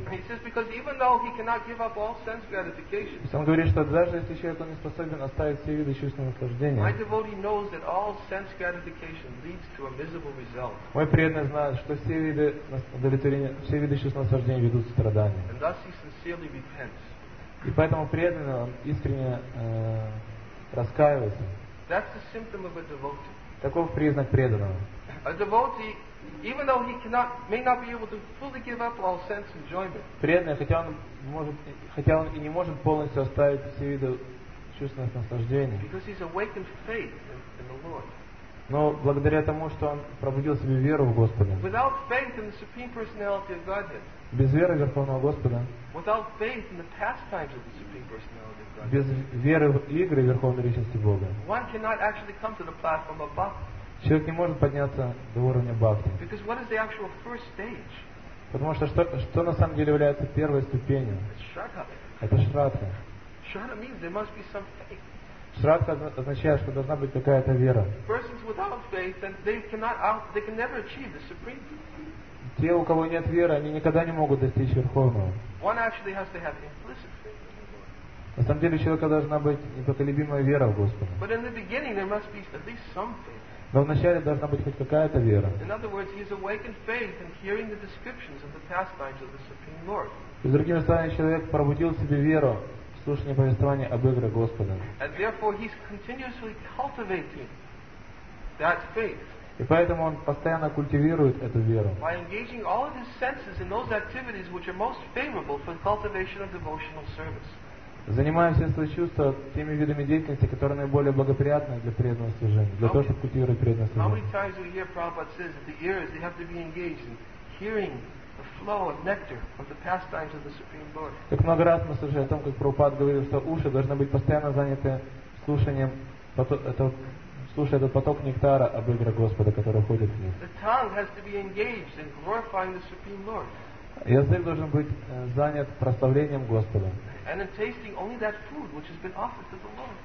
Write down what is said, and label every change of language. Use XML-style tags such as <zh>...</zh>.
<en>He says, because even though he cannot give up all sense gratification.</en> <ru>Он говорит, что даже если человек не способен оставить все виды чувственного наслаждения.</ru> <en>My devotee knows that all sense gratification leads to a miserable result.</en> <ru>Мой преданный знает, что все виды удовлетворения, все виды чувственного наслаждения ведут к страданию.</ru> <en>And thus he sincerely repents.</en> <ru>И поэтому преданный он искренне раскаивается.</ru> <en>That's the symptom of a devotee.</en> <ru>Таков признак преданного.</ru> <en>A devotee, even though he cannot, may not be able to fully give up all sense enjoyment.</en> <ru>Преданный, хотя он и не может полностью оставить все виды чувственных наслаждений.</ru> <en>Because he's awakened faith in the Lord.</en> <ru>Но благодаря тому, что он пробудил в себе веру в Господа.</ru> <en>Without faith in the supreme personality of Godhead.</en> <ru>Без веры Верховного Господа.</ru> <en>Without faith in the pastimes of the supreme personality of God.</en> <ru>Без веры в игры Верховной Личности Бога.</ru> <en>One cannot actually come to the platform of bhakti.</en> <ru>Человек не может подняться до уровня бхакти.</ru> <en>Because what is the actual first stage?</en> <ru>Потому что что на самом деле является первой ступенью?</ru> <en>It's</en> <ru>шрадха. Это шрадха.</ru> <en>Шрадха means there must be some faith.</en> <ru>Шрадха означает, что должна быть какая-то вера.</ru> <en>Persons without faith, then they cannot, they can never achieve the supreme.</en> <ru>Те, у кого нет веры, они никогда не могут достичь Верховного.</ru> <en>One actually has to have implicit faith in the Lord.</en> <ru>На самом деле, у человека должна быть непоколебимая вера в Господа.</ru> <en>But in the beginning, there must be at least some faith.</en> <ru>Но вначале должна быть хоть какая-то вера.</ru> <en>In other words, he has awakened faith in hearing the descriptions of the pastimes of the supreme Lord.</en> <ru>И, другими словами, человек пробудил в себе веру в слушание повествования об играх Господа.</ru> <en>And therefore, he's continuously cultivating that faith.</en> <ru>И поэтому он постоянно культивирует эту веру.</ru> <en>By engaging all of his senses in those activities which are most favorable for the cultivation of devotional service.</en> <ru>Занимая все свои чувства теми видами деятельности, которые наиболее благоприятны для преданного служения, для того, чтобы культивировать преданное служение.</ru> <en>How many times we hear Prabhupada says that the ears, they have to be engaged in hearing the flow of nectar of the pastimes of the Supreme Lord.</en> <ru>Как много раз мы слышали о том, как Прабхупада говорил, что уши должны быть постоянно заняты слушанием этого. Слушай этот поток нектара об играх Господа, который уходит в них.</ru> <en>The tongue has to be engaged in glorifying the Supreme Lord.</en> <ru>Язык должен быть занят прославлением Господа.</ru> <en>And in tasting only that food which has been offered to the Lord.</en>